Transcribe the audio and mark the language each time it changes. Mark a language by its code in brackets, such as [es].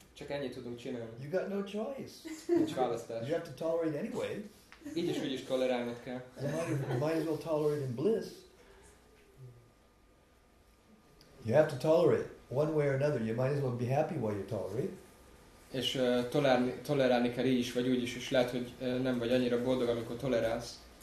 [hu] Csak ennyit tudunk csinálni. [en] You got no choice. [hu] Nincs választás. [en] You have to tolerate anyway. [hu] Így is, úgy is tolerálnod kell. [en] Might as well tolerate in bliss. You have to tolerate one way or another. You might as well be happy while you tolerate. [hu] És tolerálni kell így is, vagy úgy is, és lehet, hogy nem vagy annyira boldog, amikor tolerálsz.